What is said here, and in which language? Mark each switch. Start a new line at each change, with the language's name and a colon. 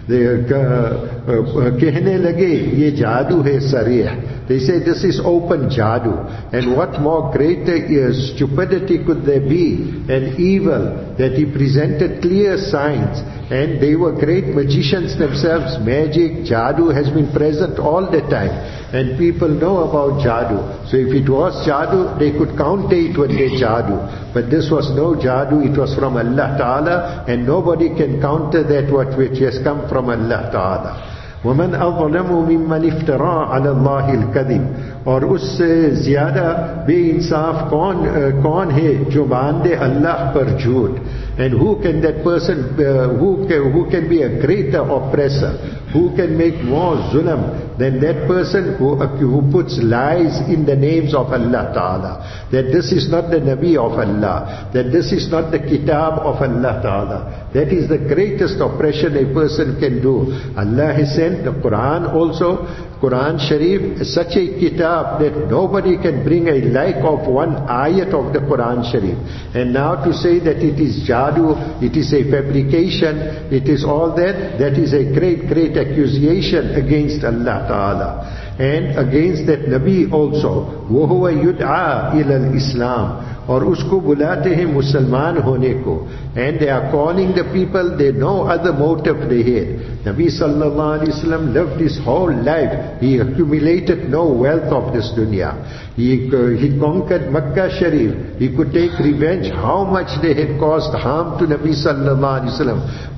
English: They
Urdu: کہنے لگے یہ جادو ہے سریح.
English: They say this is open jadu. And what more greater stupidity could there be, and evil, that he presented clear signs. And they were great magicians themselves. Magic, jadu has been present all the time. And people know about jadu. So if it was jadu, they could counter it with their jadu. But this was no jadu. It was from Allah Ta'ala. And nobody can counter that which has come from Allah Ta'ala.
Arabic: وَمَنْ أَظْلَمُ مِمَّنِ افْتَرَى عَلَى اللَّهِ الْكَذِبِ.
Urdu: اور اس سے زیادہ بے انصاف کون ہے جو باندے اللہ پر جھوٹ.
English: And who can that person, who can be a greater oppressor? Who can make more zulm than that person who puts lies in the names of Allah Ta'ala? That this is not the Nabi of Allah. That this is not the Kitab of Allah Ta'ala. That is the greatest oppression a person can do. Allah has sent the Quran also. Quran Sharif is such a kitab that nobody can bring a like of one ayat of the Quran Sharif. And now to say that it is jadu, it is a fabrication, it is all that is a great accusation against Allah Ta'ala. And against that Nabi also,
Arabic: وَهُوَ يُدْعَى إِلَى الْإِسْلَامِ.
Urdu: اور اس کو بلاتے ہیں مسلمان ہونے کو.
English: And they are calling the people, they no other motive they had. Nabi sallallahu alayhi wa sallam lived his whole life. He accumulated no wealth of this dunya. He conquered Makkah Sharif. He could take revenge how much they had caused harm to Nabi sallallahu alayhi wa sallam.